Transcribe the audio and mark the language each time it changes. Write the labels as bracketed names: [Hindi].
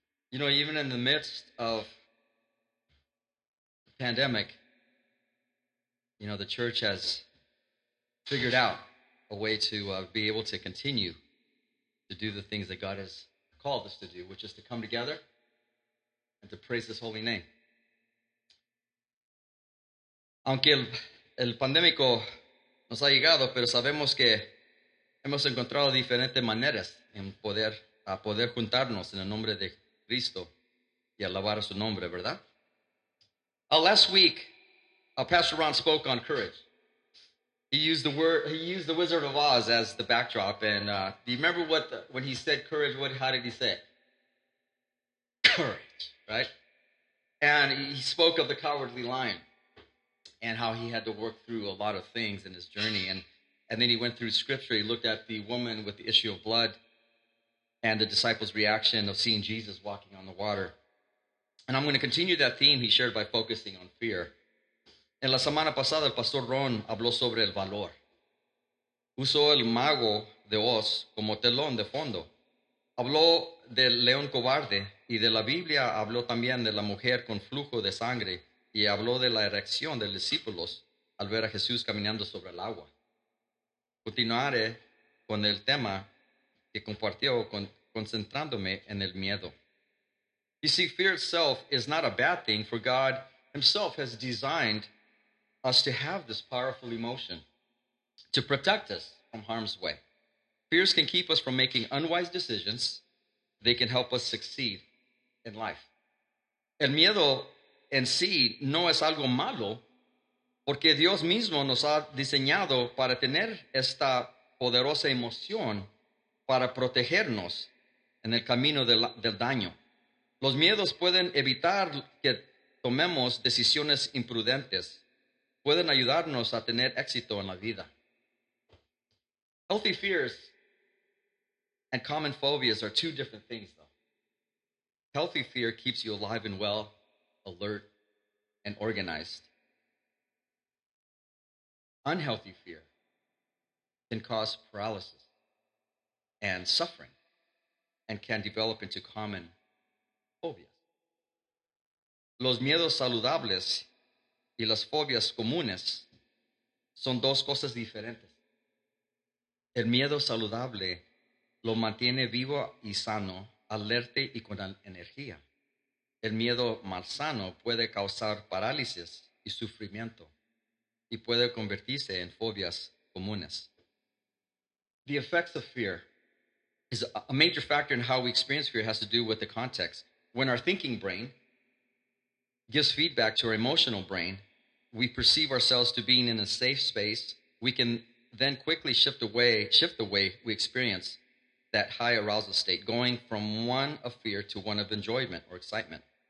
[English] You know, even in the midst of the pandemic, you know, the church has figured out a way to be able to continue to do the things that God has called us to do, which is to come together and to praise His holy name. [Spanish] Aunque el pandémico nos ha llegado, pero sabemos que hemos encontrado diferentes maneras en poder a poder juntarnos en el nombre de Cristo y alabar su nombre, ¿verdad? [English] Last week, Pastor Ron spoke on courage. He used the Wizard of Oz as the backdrop. And do you remember when he said courage? How did he say it? Courage, right? And he spoke of the cowardly lion and how he had to work through a lot of things in his journey. And then he went through scripture. He looked at the woman with the issue of blood and the disciples' reaction of seeing Jesus walking on the water. And I'm going to continue that theme he shared by focusing on fear. [Spanish] En la semana pasada, el pastor Ron habló sobre el valor. Usó el mago de Oz como telón de fondo. Habló del león cobarde y de la Biblia. Habló también de la mujer con flujo de sangre y habló de la erección de los discípulos al ver a Jesús caminando sobre el agua. Continuaré con el tema que compartió concentrándome en el miedo. [English] You see, fear itself is not a bad thing, for God Himself has designed us to have this powerful emotion to protect us from harm's way. Fears can keep us from making unwise decisions. They can help us succeed in life. [Spanish] El miedo en sí no es algo malo, porque Dios mismo nos ha diseñado para tener esta poderosa emoción para protegernos en el camino del daño. Los miedos pueden evitar que tomemos decisiones imprudentes. Pueden ayudarnos a tener éxito en la vida. [English] Healthy fears and common phobias are two different things, though. Healthy fear keeps you alive and well, alert, and organized. Unhealthy fear can cause paralysis and suffering and can develop into common phobias. [Spanish] Los miedos saludables y las fobias comunes son dos cosas diferentes. El miedo saludable lo mantiene vivo y sano, alerta y con energía. El miedo malsano puede causar parálisis y sufrimiento y puede convertirse en fobias comunes. [English] The effects of fear is a major factor in how we experience fear has to do with the context. When our thinking brain gives feedback to our emotional brain, we perceive ourselves to being in a safe space. We can then quickly shift the way we experience that high arousal state, going from one of fear to one of enjoyment or excitement.